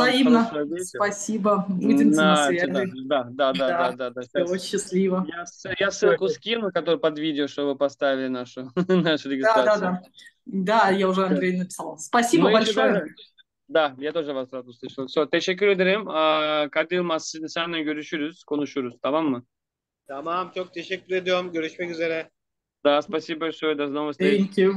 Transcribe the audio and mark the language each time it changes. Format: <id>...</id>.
<ru>Взаимно. хорошего вечера. Спасибо. Будем на На связи. тебя. Да. Да. Всего Сейчас счастливо. я ссылку скину, которую под видео, чтобы вы поставили нашу регистрацию. Да. Да, я уже Андрей написала. Спасибо Мы еще большое. даже. Да, я тоже вас рад услышал. Все,</ru> <tr>teşekkür ederim. Kadir senle görüşürüz, konuşuruz, tamam mı? Tamam, çok teşekkür ediyorum. Görüşmek üzere.</tr> <ru>Da, спасибо большое, до новых встреч.</ru>